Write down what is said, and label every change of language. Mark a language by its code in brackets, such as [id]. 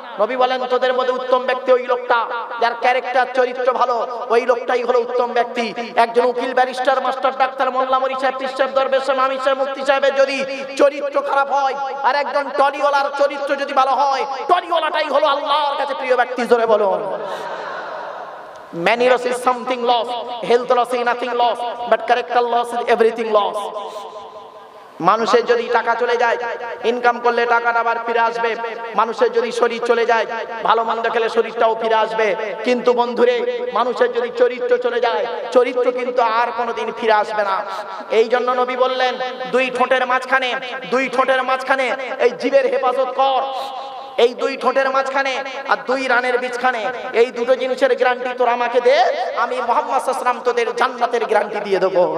[bn] নবী বলেন, তোদের মধ্যে উত্তম ব্যক্তি ওই লোকটা যার ক্যারেক্টার চরিত্র ভালো, ওই লোকটাই হলো উত্তম ব্যক্তি। একজন উকিল, ব্যারিস্টার, মাস্টার, ডাক্তার, মোল্লা, মরি সাহেব, টিশার, দরবেশ, মামি সাহেব, মুফতি সাহেবের যদি চরিত্র খারাপ হয়, আর একজন টনিওয়ালার চরিত্র যদি ভালো হয়, টনিওয়ালাটাই হলো আল্লাহর কাছে প্রিয় ব্যক্তি। জোরে বলুন, [en] many loss is something loss, health loss is nothing loss, but character loss is everything loss. [bn] মানুষের যদি টাকা চলে যায়, ইনকাম করলে টাকাটা আবার ফিরে আসবে। মানুষের যদি শরীর চলে যায়, ভালো মন্দ খেলে শরীরটাও ফিরে আসবে। কিন্তু বন্ধুরে, মানুষের যদি চরিত্র চলে যায়, চরিত্র কিন্তু আর কোনোদিন ফিরে আসবে না। এই জন্য নবী বললেন, দুই ঠোঁটের মাঝখানে, দুই ঠোঁটের মাঝখানে এই জিভের হেফাজত কর, এই দুই ঠোঁটের মাঝখানে আর দুই রানের বিছখানে, এই দুটো জিনিসের গ্যারান্টি তোর আমাকে দে, আমি মোহাম্মদ সাল্লাল্লাহু আলাইহি তোদের জান্নাতের গ্যারান্টি দিয়ে দেব।